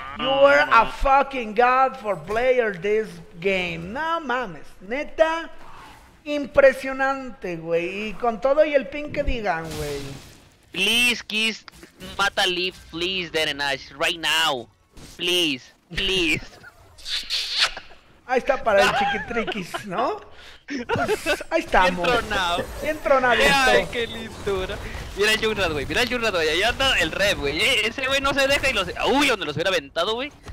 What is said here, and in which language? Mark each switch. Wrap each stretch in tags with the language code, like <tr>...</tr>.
<en>You are a fucking god for player this game.</en> <es>No mames. Neta, impresionante, güey. Y con todo y el pin que digan, güey.</es> <en>Please, Kiss, mata Leaf, please, Derenash, right now. Please, please.</en> <es>Ahí está para el chiquitriquis, ¿no? Pues, ahí estamos. Entronado. Entronado esto. Ay, qué lindura. Mira el Junrat, güey. Mira el Junrat, güey. Ahí anda el rev, güey. Ese güey no se deja y los... Uy, donde los hubiera aventado, güey.</es>